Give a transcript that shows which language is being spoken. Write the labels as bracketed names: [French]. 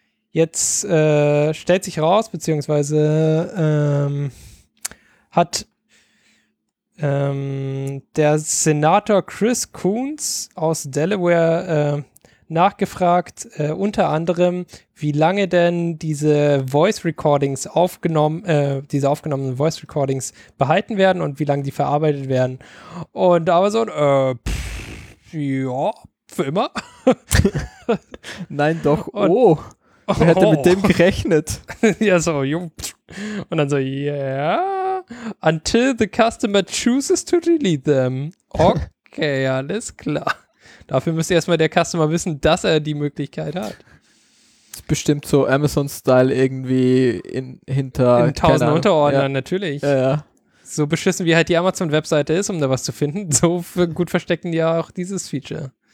[German] Jetzt stellt sich raus, beziehungsweise hat der Senator Chris Coons aus Delaware nachgefragt, unter anderem, wie lange denn diese Voice Recordings aufgenommenen Voice Recordings behalten werden und wie lange die verarbeitet werden. Und Amazon, für immer. Nein, doch. Und, oh. Wer hätte mit dem gerechnet? Ja, so. Und dann so, yeah. [English] Until the customer chooses to delete them. [German] Okay, alles klar. Dafür müsste erstmal der Customer wissen, dass er die Möglichkeit hat. Das ist bestimmt so Amazon-Style irgendwie hinter... In tausend Unterordnern, ja. Natürlich. Ja, ja. So beschissen wie halt die Amazon-Webseite ist, um da was zu finden, so gut verstecken die ja auch dieses Feature.